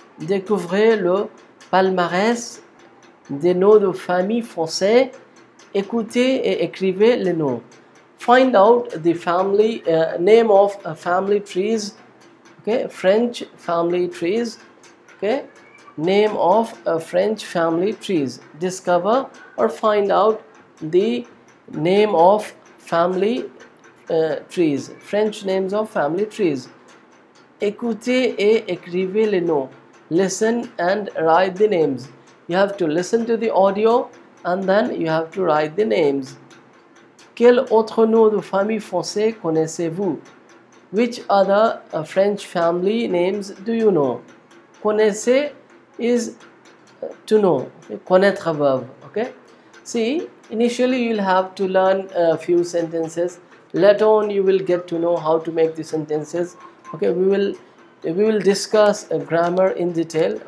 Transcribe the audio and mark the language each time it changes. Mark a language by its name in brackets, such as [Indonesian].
[French] Découvrez le palmarès des noms de famille français. Écoutez et écrivez les noms. [English] Find out the family name of family trees. Okay, French family trees. Okay. Name of a French family trees. Discover or find out the name of family trees. French names of family trees. [French] Écoutez et écrivez les noms. [English] Listen and write the names. You have to listen to the audio and then you have to write the names. [French] Quel autre nom de famille français connaissez-vous? [English] Which other French family names do you know? Connaissez is to know, okay? Connaître verb. Okay, see, initially you'll have to learn a few sentences. Later on you will get to know how to make the sentences. Okay, we will discuss grammar in detail.